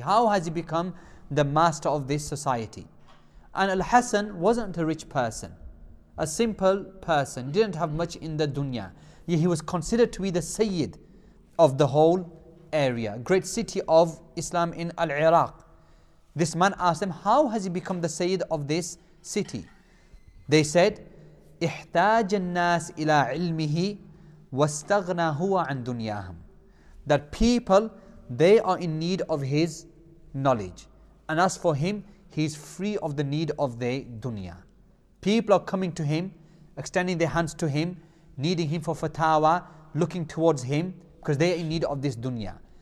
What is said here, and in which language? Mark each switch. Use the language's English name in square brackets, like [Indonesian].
[English] How has he become the master of this society? And Al-Hasan wasn't a rich person, a simple person, didn't have much in the dunya. Yet he was considered to be the Sayyid of the whole area, great city of Islam in Al-Iraq. This man asked them, how has he become the Sayyid of this city? They said, [Arabic] احتاج الناس إلى علمه واستغنى هو عن دنياهم. [English] That people, they are in need of his knowledge. And as for him, he is free of the need of the dunya. People are coming to him, extending their hands to him, needing him for fatawa, looking towards him, because they are in need of this dunya.